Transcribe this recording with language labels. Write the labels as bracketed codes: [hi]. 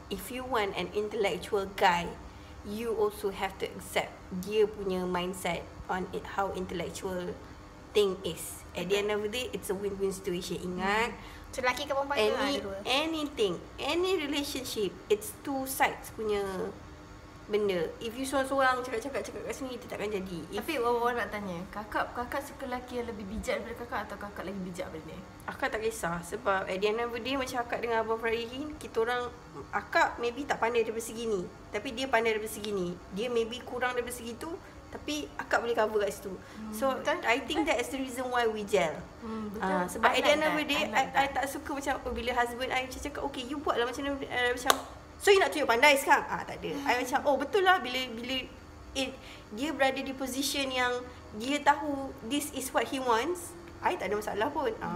[en] If you want an intellectual guy, you also have to accept [ms] dia punya mindset [en] on it, how intellectual thing is. At the end of the day, it's a win-win situation. [ms] Ingat. So, lelaki ke perempuan any, ada dua. [en] Anything, any relationship, it's two sides [ms] punya benda. [en] If you [ms] seorang-seorang cakap-cakap kat sini, itu takkan jadi. Tapi orang-orang nak tanya, kakak suka lelaki yang lebih bijak daripada kakak atau kakak lagi bijak daripada ni? Akak tak kisah sebab [en] at the end of the day, [ms] macam akak dengan Abang Farid, kita orang, akak maybe tak pandai daripada segi ni. Tapi dia pandai daripada segi ni. Dia maybe kurang daripada segi tu. Tapi akak boleh cover kat situ. So betul. [en] I think that is the reason why we gel. [ms] Sebab [en] at the end of the day, [ms] I tak suka macam bila husband I macam cakap, [en] okay you [ms] buat lah macam macam, so you nak tunjuk pandai sekarang? Tak ada. I macam, oh betul lah, bila dia berada di position yang dia tahu [en] this is what he wants, [ms] I tak ada masalah pun.